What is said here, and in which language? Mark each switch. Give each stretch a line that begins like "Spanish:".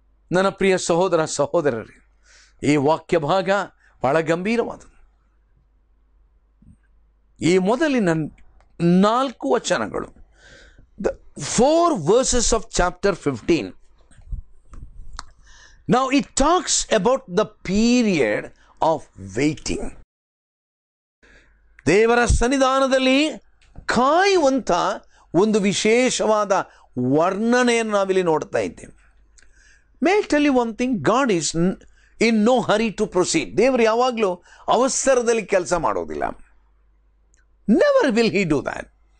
Kannada: ನನ್ನ ಪ್ರಿಯ ಸಹೋದರ ಸಹೋದರರೇ, ಈ ವಾಕ್ಯ ಭಾಗ ಬಹಳ ಗಂಭೀರವಾದದ್ದು. ಈ ಮೊದಲಿನ 4 ವಚನಗಳು,
English: The 4 verses of chapter 15. Now it talks about the period of waiting.
Kannada: Devara sannidhanadalli kaayuvanta ಒಂದು ವಿಶೇಷವಾದ ವರ್ಣನೆಯನ್ನು ನಾವಿಲ್ಲಿ ನೋಡ್ತಾ ಇದ್ದೇವೆ.
English: May tell you one thing, God is in no hurry to proceed.
Kannada: ದೇವರು ಯಾವಾಗಲೂ ಅವಸರದಲ್ಲಿ ಕೆಲಸ ಮಾಡೋದಿಲ್ಲ.
English: Never will he do that.